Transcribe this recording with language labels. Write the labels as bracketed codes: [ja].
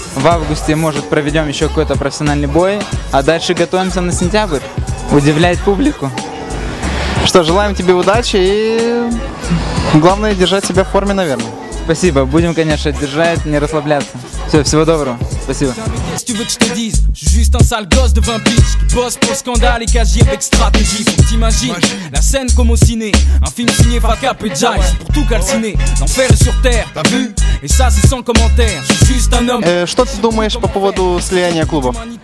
[ru] В августе, может, проведем еще какой-то профессиональный бой. А дальше готовимся на сентябрь. Удивлять публику. Что, желаем тебе удачи и главное держать себя в форме, наверное. Спасибо. Будем, конечно, держать, не расслабляться. Все, всего доброго. Спасибо. [fr] Si tu veux que je te dise, je suis juste un sale gosse de 20 piges qui bosse pour scandale et cagé avec stratégie. Faut que t'imagines la scène comme au ciné, un film signé Fracap et Jice pour tout calciner. L'enfer est sur terre, t'as vu? Et ça c'est sans commentaire, je suis juste un homme. [ru] Что ты думаешь по поводу слияния клубов?